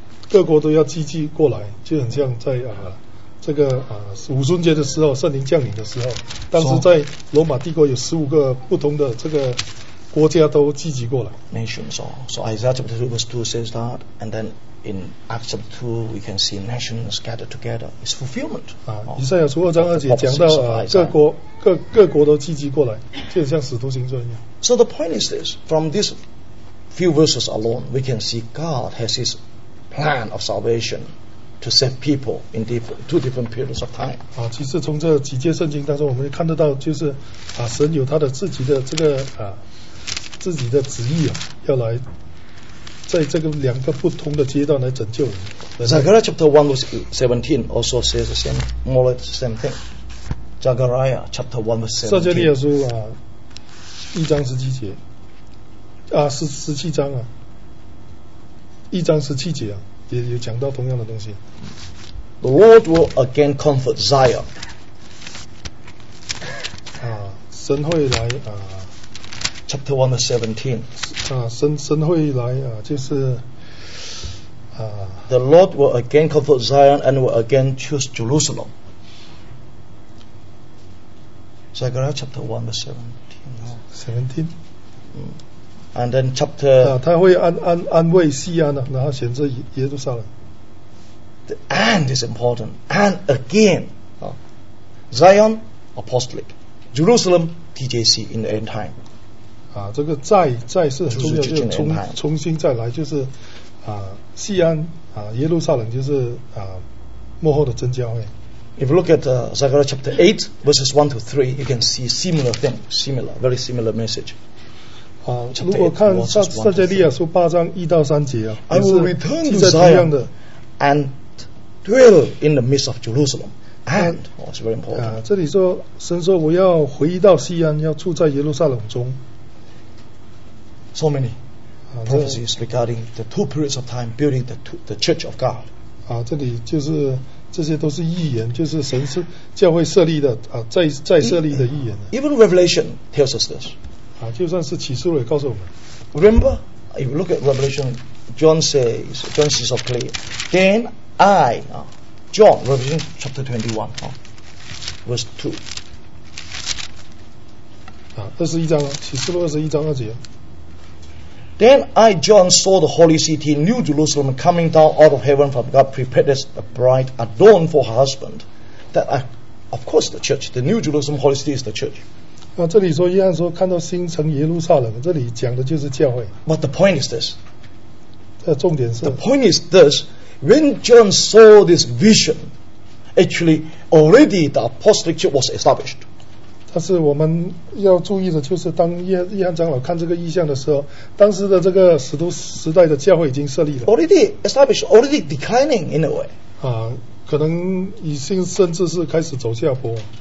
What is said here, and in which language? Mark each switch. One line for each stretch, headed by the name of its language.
Chinese: 各国都要积极过来，就很像在这个五旬节的时候，圣灵降临的时候，当时在罗马帝国有十五个不同的这个国家都聚集过来。
English: Nations, so Isaiah chapter 2 verse 2 says that, and then in Acts chapter 2 we can see nations gathered together. It's fulfillment.
Chinese: 以赛亚书二章二节讲到各国都聚集过来，就像使徒行传一样。
English: So the point is this: from these few verses alone, we can see God has His plan of salvation. To save people in two different periods of time.
Chinese: 啊，其实从这几节圣经当中，我们看得到，就是啊，神有他的自己的这个啊，自己的旨意啊，要来在这个两个不同的阶段来拯救人。
English: Zechariah chapter 1 verse 17 also says the same, more or less the same thing. Zechariah chapter 1 verse 17.
Chinese: 撒迦利亚书啊，一章十七节啊，十七章啊，一章十七节啊。也讲到同样的东西。
English: The Lord will again comfort Zion.
Chinese: 啊，神会来啊。
English: Chapter 1 verse 17.
Chinese: 啊，神会来啊，就是啊。
English: The Lord will again comfort Zion and will again choose Jerusalem. Zechariah chapter 1 verse 17. 17. And then chapter
Chinese: 他会安慰西安啊，然后选择耶路撒冷。
English: The and is important. And again, Zion apostolic, Jerusalem TJC in the end time.
Chinese: 啊，这个再是很重要，就是重新再来，就是啊，西安啊，耶路撒冷就是啊，幕后的真教会。
English: If you look at Zechariah chapter 8 verses 1 to 3, you can see similar thing, similar, very similar message.
Chinese: 如果看撒迦利亚书八章一到三节啊，
English: I will return to Zion and dwell in the midst of Jerusalem. And it's very important.
Chinese: 这里说神说我要回到西安，要住在耶路撒冷中。
English: So many prophecies regarding the two periods of time building the church of God.
Chinese: 这里就是这些都是预言，就是神是教会设立的再设立的预言。
English: Even Revelation tells us this.
Chinese: 就算是启示录也告诉我们。
English: Remember, if you look at Revelation, John says, John sees of clear. Then I, John, Revelation chapter 21, verse 2.
Chinese: 21章，启示录21章二节。
English: Then I, John, saw the holy city, New Jerusalem, coming down out of heaven from God, prepared as a bride adorned for her husband. That, of course, the church, the New Jerusalem holy city is the church.
Chinese: 这里说，约翰说看到新城耶路撒冷，这里讲的就是教会。
English: But the point is this.
Chinese: 重点是。
English: The point is this. When John saw this vision, actually already the apostolic church was established.
Chinese: 但是我们要注意的就是，当约翰长老看这个异象的时候，当时的这个使徒时代的教会已经设立了。
English: Already established, already declining in a way.
Chinese: 可能已经甚至是开始走下坡。